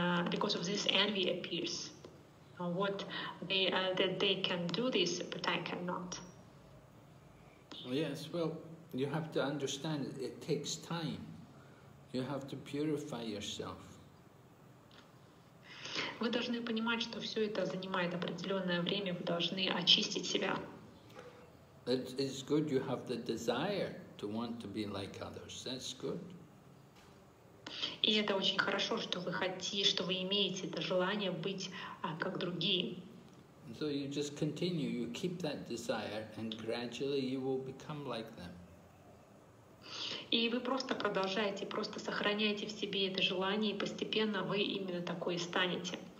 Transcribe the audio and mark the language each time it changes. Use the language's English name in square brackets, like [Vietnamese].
[English] Because of this, envy appears. That they can do this, but I cannot. Yes, well, you have to understand it takes time. You have to purify yourself. [Russian] Вы должны понимать, что все это занимает определенное время. Вы должны очистить себя. [English] It's good you have the desire to want to be like others. That's good. [Russian] И это очень хорошо, что вы хотите, что вы имеете это желание быть как другие. [English] So you just continue. You keep that desire, and gradually you will become like them. [Russian] И вы просто продолжаете, просто сохраняете в себе это желание, и постепенно вы именно такой и станете.